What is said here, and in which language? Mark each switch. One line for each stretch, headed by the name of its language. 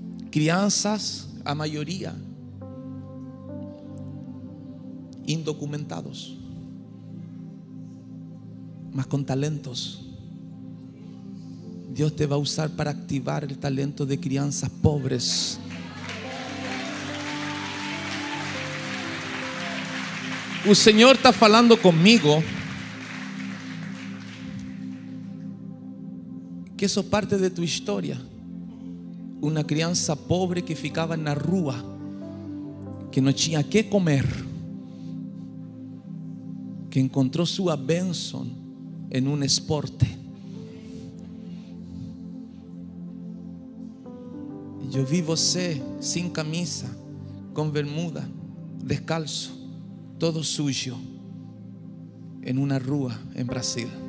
Portuguese: Crianças, a maioria, indocumentados, mas com talentos.
Spanish: Dios te va a usar para activar el talento de crianzas pobres. El Señor está hablando conmigo que eso es parte de tu historia. Una crianza pobre que ficaba en la rua
Portuguese: que não tinha que comer, que encontrou sua bênção em um esporte. Eu vi você sem camisa, com bermuda, descalço, todo sujo, em uma rua em Brasil.